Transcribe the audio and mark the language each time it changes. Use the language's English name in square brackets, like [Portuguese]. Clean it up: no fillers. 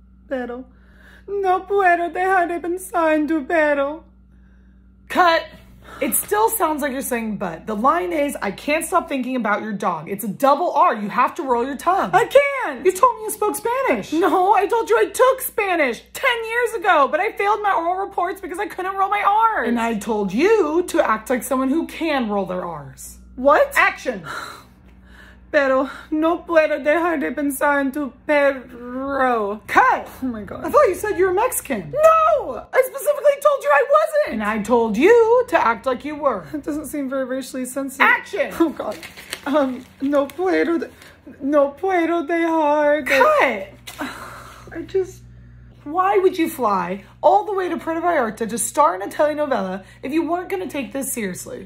[Spanish] Pero no puedo dejar de pensar en tu pero. [English] It still sounds like you're saying but. The line is, I can't stop thinking about your dog. It's a double R. You have to roll your tongue. I You told me you spoke Spanish. No, I told you I took Spanish 10 years ago, but I failed my oral reports because I couldn't roll my And R's. I told you to act like someone who can roll their R's. What? Action! [Spanish] Pero no puedo dejar de pensar en tu perro. [English] Cut! Oh my I thought you said you were Mexican. No! I specifically told you I And I told you to act like you were. It doesn't seem very racially sensitive. Action! [Spanish] Oh God. No puedo dejar de. [English] Cut! I just. Why would you fly all the way to Puerto Vallarta to star in a telenovela if you weren't gonna take this seriously?